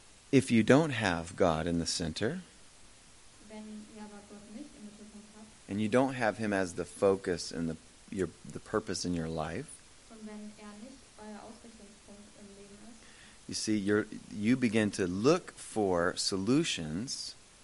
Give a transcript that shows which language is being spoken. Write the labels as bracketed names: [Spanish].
[English] if you don't have God in the center, [German] wenn ihr aber Gott nicht im Mittelpunkt habt, [English] and you don't have him as the focus and the purpose in your life, [German] und wenn er nicht euer Ausrichtungspunkt im Leben ist, [English] you see, you begin to look for solutions,